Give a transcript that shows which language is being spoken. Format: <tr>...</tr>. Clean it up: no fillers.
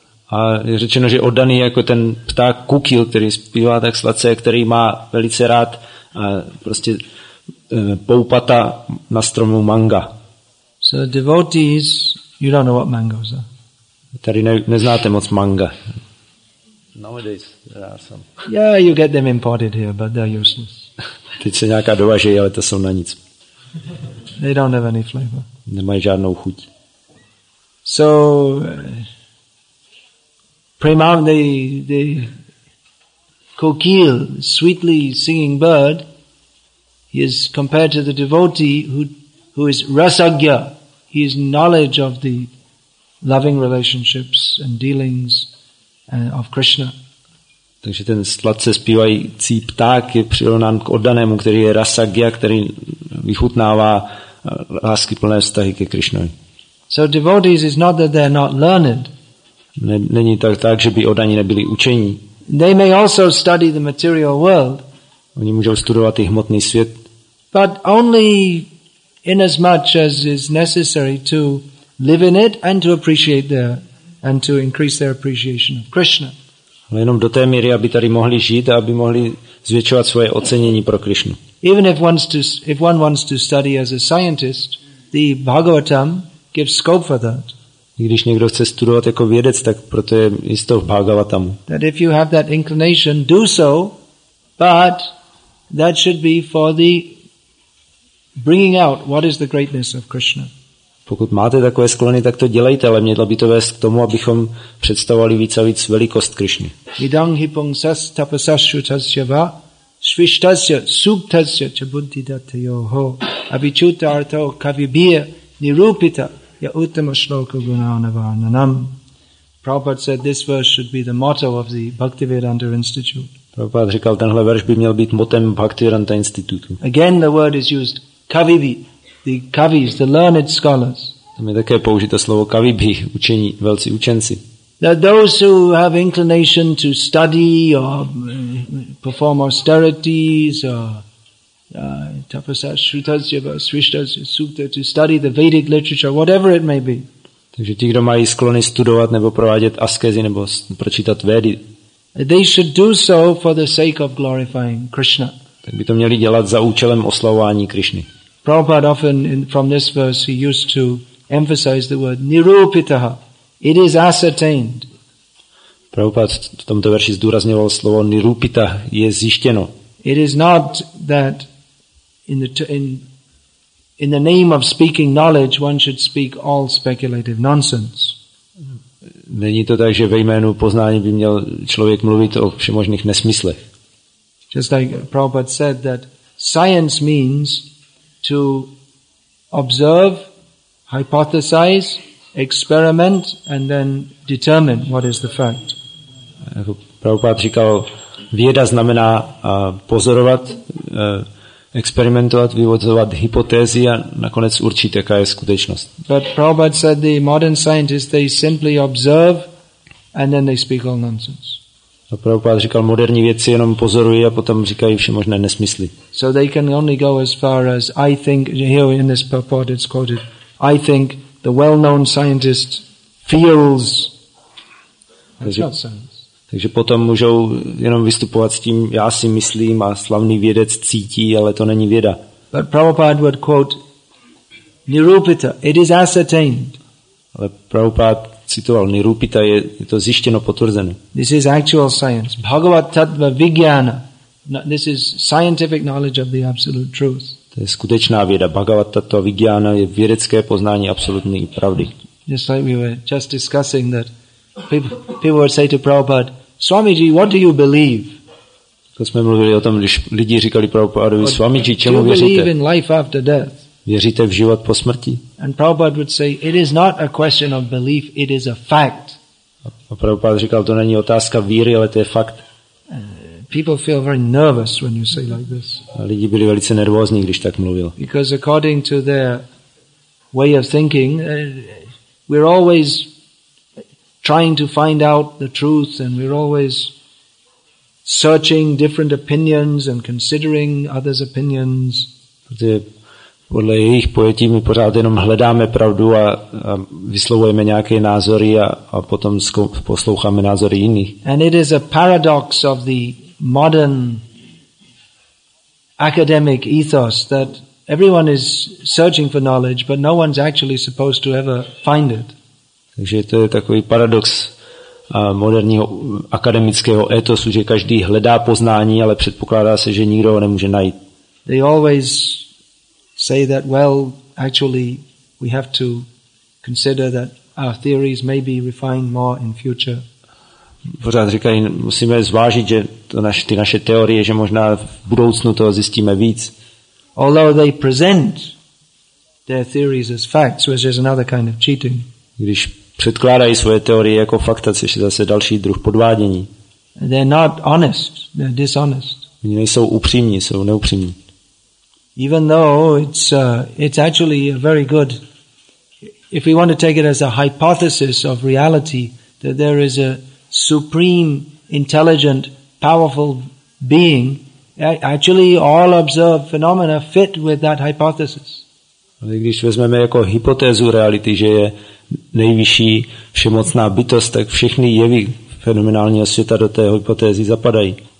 <cs>A je řečeno, že oddaný jako ten pták kukil, který zpívá tak sladce, který má velice rád prostě poupata na stromu manga.</cs> <en>So devotees, you don't know what mangoes are.</en> <cs>Tady neznáte moc manga.</cs> <en>Nowadays, there are some. Yeah, you get them imported here, but they're useless.</en> <cs>Teď se nějaká dovaží, ale to jsou na nic.</cs> <en>They don't have any flavor.</en> <cs>Nemají žádnou chuť.</cs> <en>So Premam, the kokil, sweetly singing bird, he is compared to the devotee who is rasagya. He is knowledge of the loving relationships and dealings of Krishna.</en> <cs>Takže ten sladce zpívající pták je přirovnán k oddanému, který je rasagya, který vychutnává lásky plné vztahy ke Krišnovi.</cs> <en>So devotees, is not that they are not learned.</en> <cs>Není tak, že by oddaní nebyli učení.</cs> <en>They may also study the material world.</en> <cs>Oni můžou studovat i hmotný svět.</cs> <en>But only in as much as is necessary to live in it and to appreciate there and to increase their appreciation of Krishna.</en> <cs>Ale jenom do té míry, aby tady mohli žít a aby mohli zvětšovat svoje ocenění pro Krishnu.</cs> <en>Even if one wants to study as a scientist, the Bhagavatam gives scope for that.</en> <cs>Když někdo chce studovat jako vědec, tak proto je jisto v Bhagavatamu.</cs> <en>That if you have that inclination, do so, but that should be for the bringing out what is the greatness of Krishna.</en> <cs>Pokud máte takové sklony, tak to dělejte, ale mělo by to vést k tomu, abychom představovali víc a víc velikost Krišny.</cs> <sa>Vidang hipong sas tapasas shutasya va svishtasya suktasya cha bunti datayo ho abichuta artho kavibhya nirupita ya uttama shloka gunana varnanam.</sa> <en>Prabhupada said this verse should be the motto of the Bhaktivedanta Institute.</en> <cs>Prabhupada říkal, tenhle verš by měl být motem Bhaktivedanta Institutu.</cs> <en>Again the word is used, kavibhya. The kavis, the learned scholars.</en> <cs>Tam je také použito slovo kavibhi, učení, velcí učenci.</cs> <en>That those who have inclination to study or perform austerities or tapasya, shrutasya, svishtasya, sukta, to study the Vedic literature, whatever it may be.</en> <cs>Takže ti, kdo mají sklony studovat nebo provádět askezi nebo pročítat vedy.</cs> <en>They should do so for the sake of glorifying Krishna.</en> <cs>Tak by to měli dělat za účelem oslavování Krišny.</cs> <en>Prabhupada often from this verse he used to emphasize the word nirupitaha. It is ascertained.</en> <cs>Prabhupada v tomto verši zdůrazňoval slovo nirupita, je zjištěno.</cs> <en>It is not that in the name of speaking knowledge one should speak all speculative nonsense.</en> <cs>Není to tak, že ve jménu poznání by měl člověk mluvit o všemožných nesmyslech.</cs> <en>Just like Prabhupada said that science means to observe, hypothesize, experiment and then determine what is the fact.</en> <cs>Prabhupada říkal, věda znamená pozorovat, experimentovat, vyvozovat hypotézy a nakonec určit, jaká je skutečnost.</cs> <en>But Prabhupada said the modern scientists, they simply observe and then they speak all nonsense.</en> <cs>A Prabhupada říkal, moderní vědci jenom pozorují a potom říkají vše možné nesmysly.</cs> <en>So they can only go as far as I think, here in this purport it's quoted, I think the well-known scientist feels.</en> <cs>Takže potom můžou jenom vystupovat s tím, já si myslím a slavný vědec cítí, ale to není věda.</cs> <en>But Prabhupada would quote, nirupita, it is ascertained.</en> <cs>Ale Prabhupada citoval nirupita, je to zjištěno, potvrzeno.</cs> <en>This is actual science. Bhagavat tattva vigyana. This is scientific knowledge of the absolute truth.</en> <cs>To je skutečná věda. Bhagavat tattva vigyana je vědecké poznání absolutní pravdy.</cs> <en>Just like we were just discussing that people would say to Prabhupada, Swamiji, what do you believe?</en> <cs>To jsme mluvili o tom, když lidi říkali Prabhupadovi, Swamiji, čemu věříte?</cs> <en>Do you believe in life after death?</en> <cs>Věříte v život po smrti?</cs> <en>And Prabhupada would say, it is not a question of belief, it is a fact.</en> <cs>A Prabhupada říkal, to není otázka víry, ale to je fakt.</cs> <en>People feel very nervous when you say like this.</en> <cs>A lidi byli velice nervózní, když tak mluvil.</cs> <en>Because according to their way of thinking, we're always trying to find out the truth and we're always searching different opinions and considering others' opinions.</en> <cs>Podle jejich pojetí my pořád jenom hledáme pravdu a vyslovujeme nějaké názory a potom posloucháme názory jiných.</cs> <en>And it is a paradox of the modern academic ethos that everyone is searching for knowledge, but no one's actually supposed to ever find it.</en> <cs>Takže to je takový paradox moderního akademického etosu, že každý hledá poznání, ale předpokládá se, že nikdo ho nemůže najít.</cs> <en>They always say that, well, actually, we have to consider that our theories may be refined more in future.</en> <cs>Pořád říkají, musíme zvážit, že ty naše teorie, že možná v budoucnu to zjistíme víc.</cs> <en>Although they present their theories as facts, which is another kind of cheating.</en> <cs>Když předkládají svoje teorie jako fakta, což je zase další druh podvádění.</cs> <en>They're not honest, they're dishonest.</en> <cs>Oni nejsou upřímní, jsou neupřímní.</cs> <en>Even though it's actually a very good, if we want to take it as a hypothesis of reality, that there is a supreme, intelligent, powerful being, actually all observed phenomena fit with that hypothesis.</en> <cs>Ale když vezmeme jako hypotézu reality, že je nejvyšší všemocná bytost, tak všechny jevy fenomenálního světa do té hypotézy zapadají.</cs>